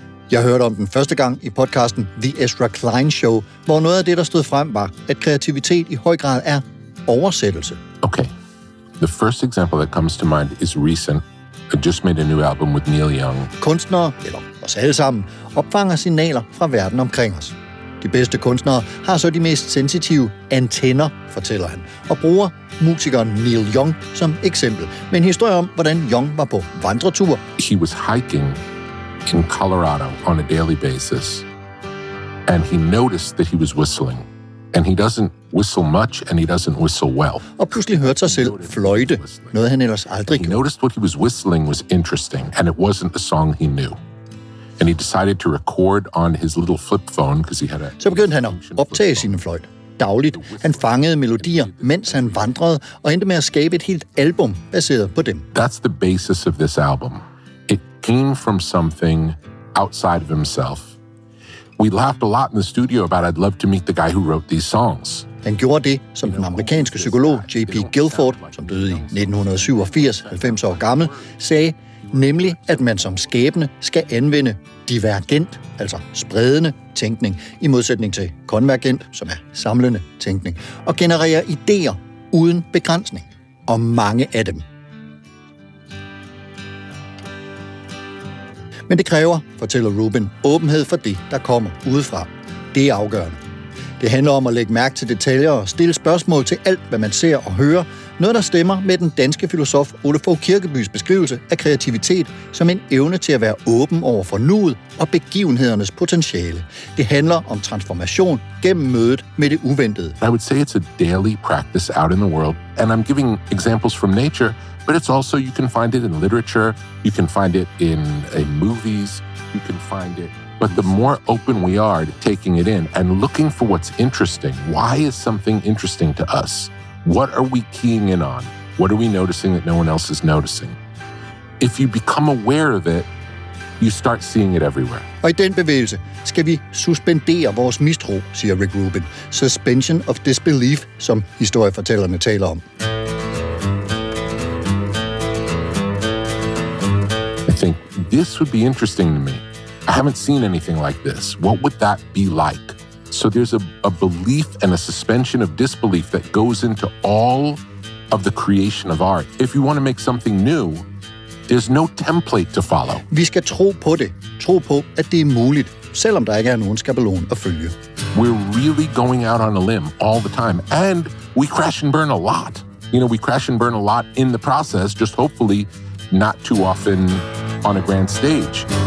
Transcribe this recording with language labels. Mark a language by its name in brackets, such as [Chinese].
[Danish] Jeg hørte om den første gang i podcasten The Ezra Klein Show, hvor noget af det, der stod frem, var, at kreativitet i høj grad er oversættelse. Okay. [English] The first example that comes to mind is recent. I just made a new album with Neil Young. [Danish] Kunstnere, eller os alle sammen, opfanger signaler fra verden omkring os. De bedste kunstnere har så de mest sensitive antenner, fortæller han, og bruger musikeren Neil Young som eksempel. Med en historie om, hvordan Young var på vandretur. [English] He was hiking in Colorado on a daily basis, and he noticed that he was whistling, and he doesn't whistle much, and he doesn't whistle well. [Danish] Og pludselig hørte sig selv fløjte, noget han ellers aldrig [English] gjorde. He noticed what he was whistling was interesting, and it wasn't a song he knew. And he decided to record on his little flip phone, because he had a... [Danish] Så begyndte han at optage sine fløjte dagligt. Han fangede melodier, mens han vandrede, og endte med at skabe et helt album baseret på dem. [English] That's the basis of this album. It came from something outside of himself. We laughed a lot in the studio about I'd love to meet the guy who wrote these songs. [Danish] Han gjorde det, som den amerikanske psykolog J.P. Guilford, som døde i 1987, 90 år gammel, sagde, nemlig at man som skabende skal anvende divergent, altså spredende tænkning, i modsætning til konvergent, som er samlende tænkning, og genererer idéer uden begrænsning, og mange af dem. Men det kræver, fortæller Rubin, åbenhed for det, der kommer udefra. Det er afgørende. Det handler om at lægge mærke til detaljer og stille spørgsmål til alt, hvad man ser og hører. Noget, der stemmer med den danske filosof Ole Fogh Kirkebys beskrivelse af kreativitet som en evne til at være åben over for nuet og begivenhedernes potentiale. Det handler om transformation gennem mødet med det uventede. [English] I would say it's a daily practice out in the world, and I'm giving examples from nature, but it's also, you can find it in literature, you can find it in movies, you can find it. But the more open we are to taking it in and looking for what's interesting, why is something interesting to us? What are we keying in on? What are we noticing that no one else is noticing? If you become aware of it, you start seeing it everywhere. [Danish] Og i den bevægelse skal vi suspendere vores mistro, siger Rick Rubin. [English] Suspension of disbelief, [Danish] som historiefortællerne taler om. [English] I think this would be interesting to me. I haven't seen anything like this. What would that be like? So there's a belief and a suspension of disbelief that goes into all of the creation of art. If you want to make something new, there's no template to follow. [Danish] Vi skal tro på det. Tro på, at det er muligt, selvom der ikke er nogen skabelon at følge. [English] We're really going out on a limb all the time. And we crash and burn a lot. You know, we crash and burn a lot in the process, just hopefully not too often on a grand stage.